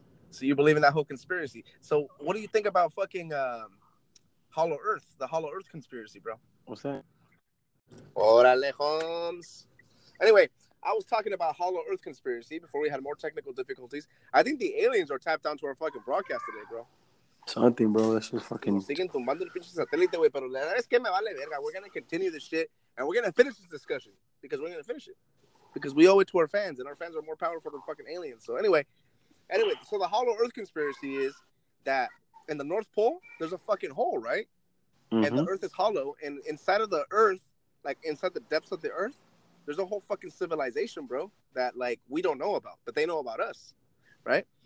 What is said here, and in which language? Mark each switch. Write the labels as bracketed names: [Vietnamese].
[English] So you believe in that whole conspiracy. So what do you think about fucking Hollow Earth, the Hollow Earth conspiracy, bro? What's that? Orale, Holmes. Anyway, I was talking about Hollow Earth conspiracy before we had more technical difficulties. I think the aliens are tapped onto our fucking broadcast today, bro. Something, bro. That's just fucking... [Spanish] Siguen tumbando el pinche satélite, güey, pero es que me vale verga. [English] We're going to continue this shit, and we're going to finish this discussion, because we're going to finish it. Because we owe it to our fans, and our fans are more powerful than fucking aliens. So anyway, so the Hollow Earth conspiracy is that in the North Pole, there's a fucking hole, right? Mm-hmm. And the Earth is hollow, and inside of the Earth, like inside the depths of the Earth, there's a whole fucking civilization, bro, that, like, we don't know about, but they know about us, right?